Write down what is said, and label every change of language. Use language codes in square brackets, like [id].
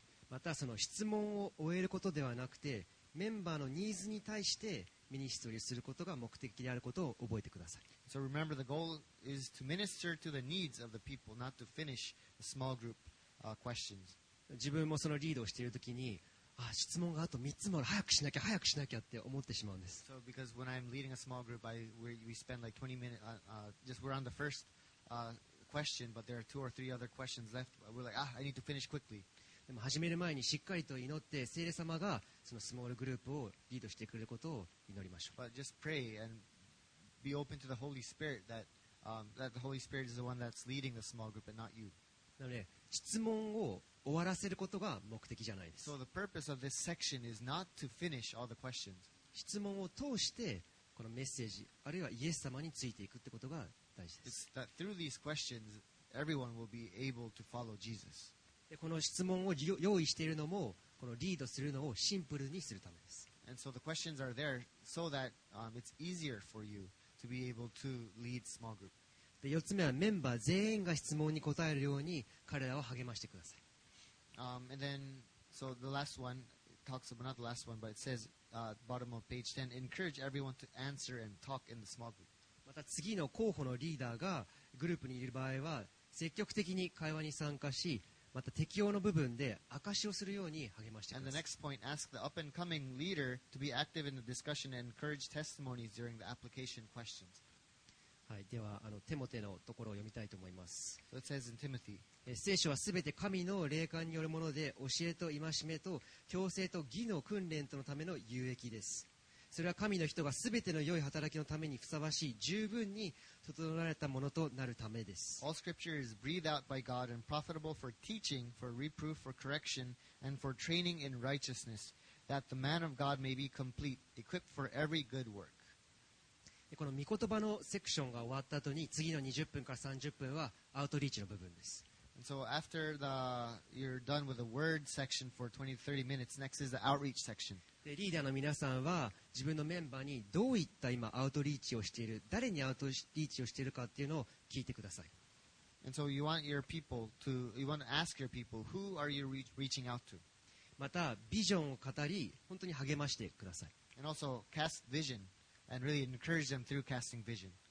[ja] またその質問を終えることではなくて、メンバーのニーズに対してミニストリーすることが目的であることを覚えてください。 [en] So remember, the goal is to minister to the needs of the people, not to finish the small group、questions. [ja] 自分もそのリードをしているときに、あ、質問があと3つもある、早くしなきゃ、早くしなきゃって思ってしまうんです。 [en] So because when I'm leading a small group, we spend like 20 minutes, just we're on the first、question, but there are two or three other questions left. We're like, ah, I need to finish quickly. [ja] でも始める前にしっかりと祈って聖霊様がそのスモールグループをリードしてくれることを祈りましょう。 [en] But just pray and be open to the Holy Spirit that,、that the Holy Spirit is the one that's leading the small group and not you. [ja] なので質問を終わらせることが目的じゃないです。 [en] So the purpose of this section is not to finish all the questions. [ja] 質問を通してこのメッセージあるいはイエス様についていくってことが大事です。 [en] It's that through these questions, everyone will be able to follow Jesus. [ja] でこの質問を用意しているのもこのリードするのをシンプルにするためです。 [en] And so the questions are there so that、it's easier for you to be able to lead small group. [ja] で4つ目はメンバー全員が質問に答えるように彼らを励ましてください。 [en] And then, so the last one talks about, not the last one, but it says、bottom of page 10, encourage everyone to answer and talk in the small group. [ja] また次の候補のリーダーがグループにいる場合は積極的に会話に参加し、また適応の部分で証しをするように励ましてください。 [en] And the next point, ask the up-and-coming leader to be active in the discussion and encourage testimonies during the application questions. [ja] はい、ではテモテのところを読みたいと思います。 [en] So、it says in Timothy, [ja] 聖書はすべて神の霊感によるもので、教えと戒めと教制と義の訓練とのための有益です。それは神の人がすべての良い働きのためにふさわしい十分に整われたものとなるためです。 [en] All scripture is breathed out by God and profitable for teaching, for reproof, for correction, and for training in righteousness, that the man of God may be complete, equipped for every good work. [ja] この御言葉のセクションが終わった後に次の20分から30分はアウトリーチの部分です。 [en] And so after you're done with the word section for 20-30 minutes, next is the outreach section. [ja] でリーダーの皆さんは自分のメンバーにどういった今アウトリーチをしている、誰にアウトリーチをしているかっていうのを聞いてください。 [en] And so you want your people to, you want to ask your people, who are you reaching out to? [ja] またビジョンを語り、本当に励ましてください。 [en] And also cast vision and really encourage them through casting vision.